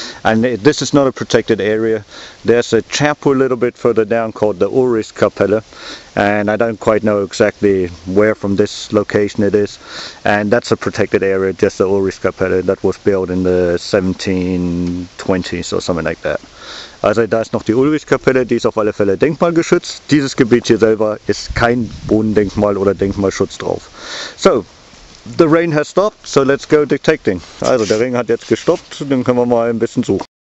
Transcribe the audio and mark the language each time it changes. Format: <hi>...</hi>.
<en>And this is not a protected area. There's a chapel a little bit further down called the Ulrichskapelle, and I don't quite know exactly where from this location it is. And that's a protected area, just the Ulrichskapelle, that was built in the 1720s or something like that.</en> <de>Also da ist noch die Ulrichskapelle, die ist auf alle Fälle denkmalgeschützt. Dieses Gebiet hier selber ist kein Bodendenkmal oder Denkmalschutz drauf. So.</de> <en>The rain has stopped, so let's go detecting.</en> <de>Also, der Regen hat jetzt gestoppt, dann können wir mal ein bisschen suchen.</de>